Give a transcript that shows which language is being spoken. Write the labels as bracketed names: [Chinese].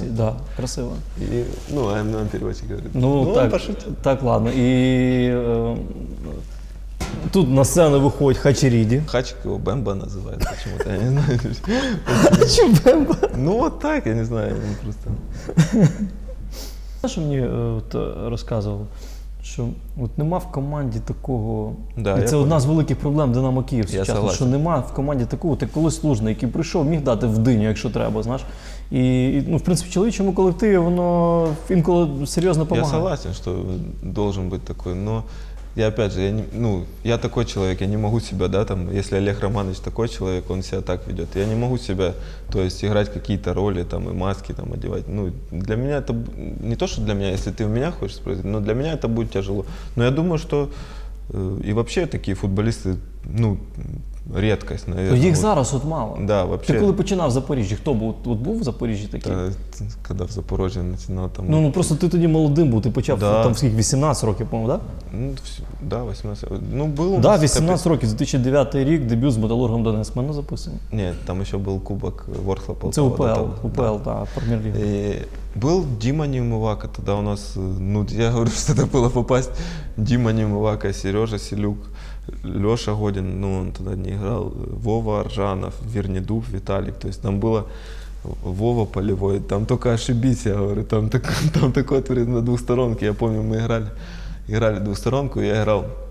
[Russian] Да, красиво. Ну, а нам переводчик говорит. Ну, так, ладно. И тут на сцену выходит Хачериди. Хачик его Бемба называет почему-то, я не знаю. А что Бемба? Ну, вот так, я не знаю, просто... [Ukrainian] Знаєш, що мені розказували, що от нема в команді такого, да, і це одна з великих проблем Динамо Київ сучасно, що нема в команді такого, ти колись Лужний, який прийшов, міг дати в диню, якщо треба, знаєш. І ну, в принципі, чоловічому колективі воно інколи серйозно допомагає. [Russian] Я согласен, що должен бути такий, но я, опять же, я такой человек, я не могу себя, да, там, если Олег Романович такой человек, он себя так ведет, я не могу себя, то есть, играть какие-то роли, там, и маски, там, одевать, ну, для меня это, не то, что для меня, если ты у меня хочешь спросить, но для меня это будет тяжело, но я думаю, что и вообще такие футболисты, ну, [Ukrainian] рідкість, навіть. Їх зараз от мало. [Russian] Да, вообще... [Ukrainian] Ти коли починав в Запоріжжі, хто був? От був в Запоріжжі такий? Та, коли в Запоріжжі починав там... Ну, просто ти тоді молодим був, ти почав да. Там скільки, 18 років, по-моєму, так? Ну, да, 18. Ну, було... Да, 18 років, 2009 рік, дебют з Металургом Донецьк. Мене записано. Ні, там ще був кубок Ворхла Полтава. Це УПЛ, да, УПЛ, так, да. Прем'єр-ліга. І... [Russian] Был Дима Неумывака, тогда у нас, ну, я говорю, что это было попасть, Дима Неумывака, Сережа Селюк, Леша Годин, ну, он тогда не играл, Вова Аржанов, Вернедуб, Виталик, то есть там было Вова Полевой, там только ошибись, я говорю, там такой отверт на двухсторонке, я помню, мы играли двухсторонку, я играл,